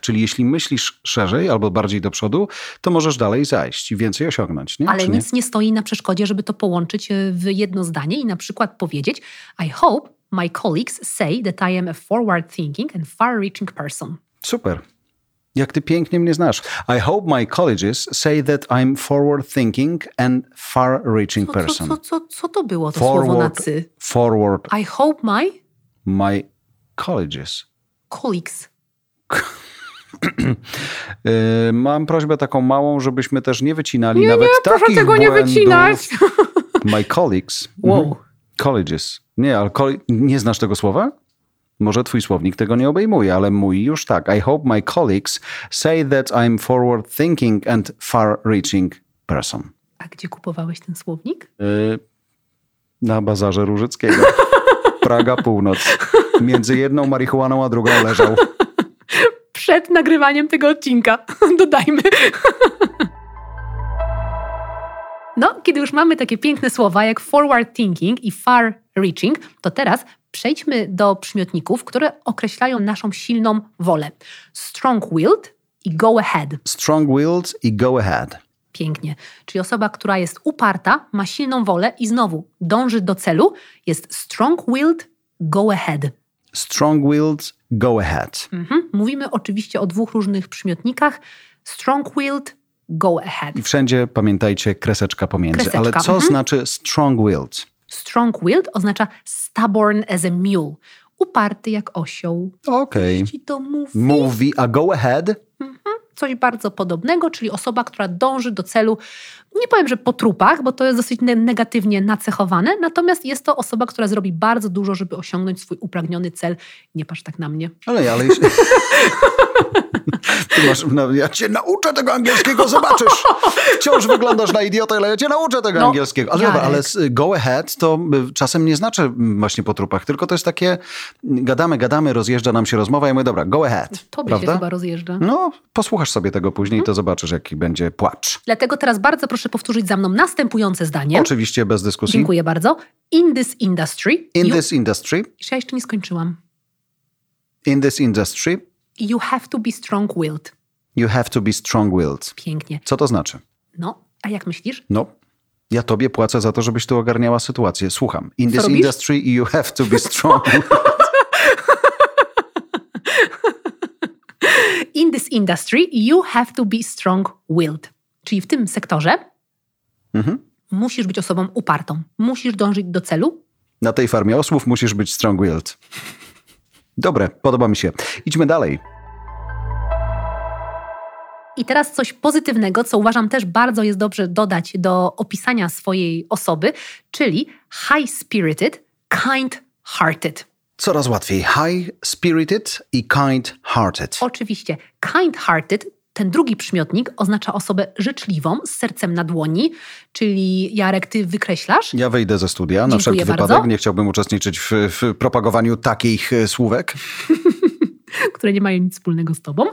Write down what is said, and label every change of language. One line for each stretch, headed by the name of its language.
Polish: Czyli jeśli myślisz szerzej albo bardziej do przodu, to możesz dalej zajść i więcej osiągnąć. Nie? Ale czy nic nie stoi na przeszkodzie, żeby to połączyć w jedno zdanie i na przykład powiedzieć:
English: I hope my colleagues say that I am a forward thinking and far reaching person.
Polish: Super. Jak ty pięknie mnie znasz.
English: I hope my colleagues say that I'm forward thinking and far reaching person.
Polish: Co to było to forward, słowo na
English: cy? Forward. I hope my? My colleagues. Colleagues.
Polish: Mam prośbę taką małą, żebyśmy też nie wycinali nie, nawet takich proszę tego błędów. Nie wycinać.
English: My colleagues. Wow. Colleagues.
Polish: Nie, ale nie znasz tego słowa? Może twój słownik tego nie obejmuje, ale mój już tak.
English: I hope my colleagues say that I'm forward thinking and far reaching person.
Polish: A gdzie kupowałeś ten słownik? Na bazarze Różyckiego. Praga Północ. Między jedną marihuaną a drugą leżał. Przed nagrywaniem tego odcinka. Dodajmy. No, kiedy już mamy takie piękne słowa jak forward thinking i far reaching, to teraz przejdźmy do przymiotników, które określają naszą silną wolę.
English: Strong-willed i go-ahead. Strong-willed i go-ahead.
Polish: Pięknie. Czyli osoba, która jest uparta, ma silną wolę i znowu dąży do celu, jest strong-willed, go-ahead.
English: Strong-willed, go-ahead. Mhm.
Polish: Mówimy oczywiście o dwóch różnych przymiotnikach.
English: Strong-willed, go-ahead.
Polish: I wszędzie pamiętajcie kreseczka pomiędzy. Kreseczka. Ale co mhm. znaczy strong-willed?
English: Strong-willed oznacza stubborn as a mule.
Polish: Uparty jak osioł. Okej. Okay. Ci to mówi. Mówi, a go ahead? Mm-hmm. Coś bardzo podobnego, czyli osoba, która dąży do celu, nie powiem, że po trupach, bo to jest dosyć negatywnie nacechowane, natomiast jest to osoba, która zrobi bardzo dużo, żeby osiągnąć swój upragniony cel. Nie patrz tak na mnie. Ale jeśli... ja cię nauczę tego angielskiego, zobaczysz. Wciąż wyglądasz na idiotę, ale ja cię nauczę tego angielskiego. Ale dobra, ale go ahead to czasem nie znaczy właśnie po trupach, tylko to jest takie, gadamy, rozjeżdża nam się rozmowa i mówię, dobra, go ahead. Tobie prawda? Się chyba rozjeżdża. No, posłuchasz sobie tego później, to zobaczysz, jaki będzie płacz. Dlatego teraz bardzo proszę powtórzyć za mną następujące zdanie. Oczywiście, bez dyskusji. Dziękuję bardzo.
English: In this industry. In this industry.
Polish: Ja jeszcze nie skończyłam.
English: In this industry. You have to be strong-willed. You have to be strong-willed.
Polish: Pięknie. Co to znaczy? No, a jak myślisz? No, ja tobie płacę za to, żebyś tu ogarniała sytuację. Słucham. In co
English: this
Polish: robisz?
English: Industry you have to be strong-willed. In this industry you have to be strong-willed.
Polish: Czyli w tym sektorze mm-hmm. musisz być osobą upartą. Musisz dążyć do celu. Na tej farmie osłów musisz być strong-willed. Dobre, podoba mi się. Idźmy dalej. I teraz coś pozytywnego, co uważam też bardzo jest dobrze dodać do opisania swojej osoby, czyli high-spirited, kind-hearted. Coraz łatwiej.
English: High-spirited i kind-hearted.
Polish: Oczywiście. Kind-hearted, ten drugi przymiotnik, oznacza osobę życzliwą, z sercem na dłoni, czyli Jarek, ty wykreślasz? Ja wyjdę ze studia. Dziękuję na wszelki bardzo. Wypadek. Nie chciałbym uczestniczyć w propagowaniu takich słówek. Które nie mają nic wspólnego z tobą.